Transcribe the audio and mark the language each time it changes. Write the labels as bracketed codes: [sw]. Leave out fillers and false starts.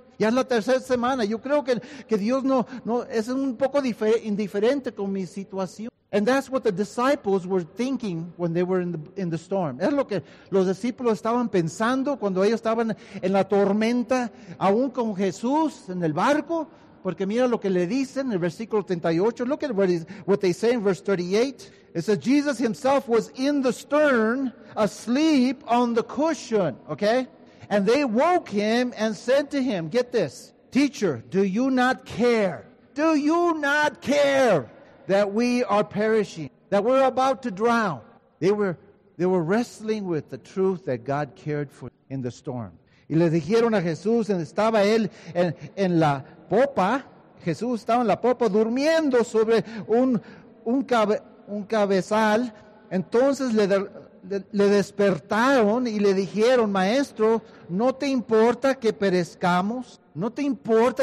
[es] Ya es la tercera semana. Yo creo que Dios no es un poco indiferente con mi situación. [en] And that's what the disciples were thinking when they were in the storm. [es] Es lo que los discípulos estaban pensando cuando ellos estaban en la tormenta, aún con Jesús en el barco. Porque mira lo que le dicen en el versículo 38. [en] Look at what they say in verse 38. It says, Jesus himself was in the stern, asleep on the cushion. Okay? And they woke him and said to him, get this, teacher, do you not care? Do you not care that we are perishing? That we're about to drown? They were wrestling with the truth that God cared for in the storm. [es] Y le dijeron a Jesús, estaba él en la popa. Jesús estaba en la popa durmiendo sobre un cabezal. Entonces le despertaron y le dijeron, maestro, ¿no te importa que perezcamos? ¿No te importa?